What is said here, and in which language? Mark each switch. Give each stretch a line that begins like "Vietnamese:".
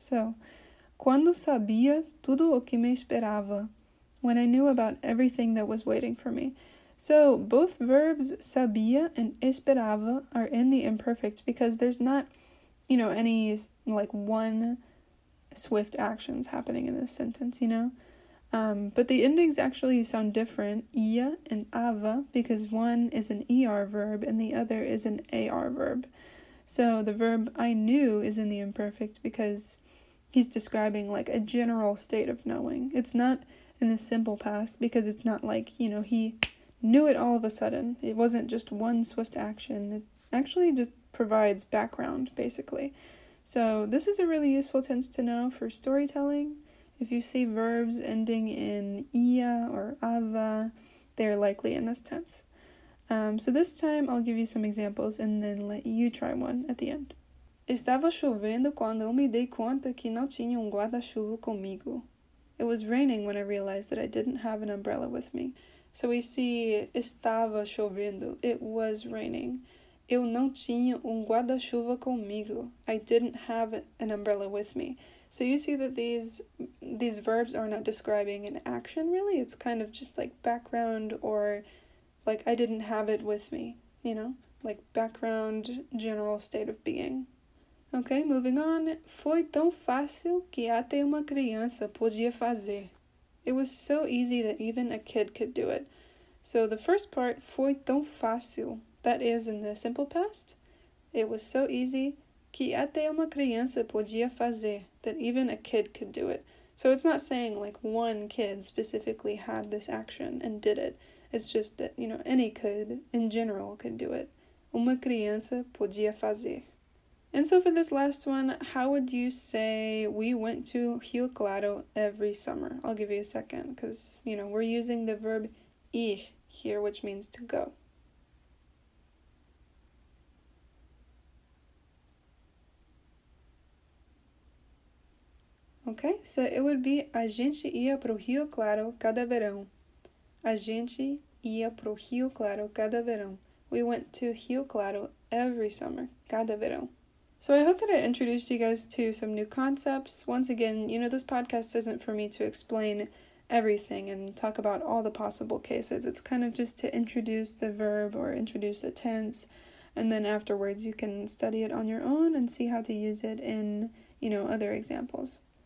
Portuguese: So, quando sabia tudo o que me esperava.
English: When I knew about everything that was waiting for me. So both verbs sabia and esperava are in the imperfect because there's not, you know, any, like, one swift actions happening in this sentence, you know? But the endings actually sound different, ia and ava, because one is an er verb and the other is an ar verb. So the verb I knew is in the imperfect because he's describing, like, a general state of knowing. It's not in the simple past because it's not like, you know, he knew it all of a sudden. It wasn't just one swift action. It actually just provides background, basically. So this is a really useful tense to know for storytelling. If you see verbs ending in ia or ava, they're likely in this tense. So this time I'll give you some examples and then let you try one at the end.
Portuguese: Estava chovendo quando eu me dei conta que não tinha guarda-chuva comigo.
English: It was raining when I realized that I didn't have an umbrella with me. So we see
Portuguese: estava chovendo.
English: It was raining.
Portuguese: Eu não tinha guarda-chuva comigo.
English: I didn't have an umbrella with me. So you see that these verbs are not describing an action, really. It's kind of just like background or like I didn't have it with me, you know, like background general state of being. Okay, moving on.
Portuguese: Foi tão fácil que até uma criança podia fazer.
English: It was so easy that even a kid could do it. So the first part,
Portuguese: foi tão fácil,
English: that is in the simple past. It was so easy
Portuguese: que até uma criança podia fazer.
English: That even a kid could do it. So it's not saying, like, one kid specifically had this action and did it. It's just that, you know, any kid, in general, could do it.
Portuguese: Uma criança podia fazer.
English: And so for this last one, how would you say we went to Rio Claro every summer? I'll give you a second, because, you know, we're using the verb ir here, which means to go. Okay, so it would be
Portuguese: a gente ia pro Rio Claro cada verão. A gente ia pro Rio Claro cada verão.
English: We went to Rio Claro every summer,
Portuguese: cada verão.
English: So I hope that I introduced you guys to some new concepts. Once again, you know, this podcast isn't for me to explain everything and talk about all the possible cases. It's kind of just to introduce the verb or introduce the tense, and then afterwards you can study it on your own and see how to use it in, you know, other examples.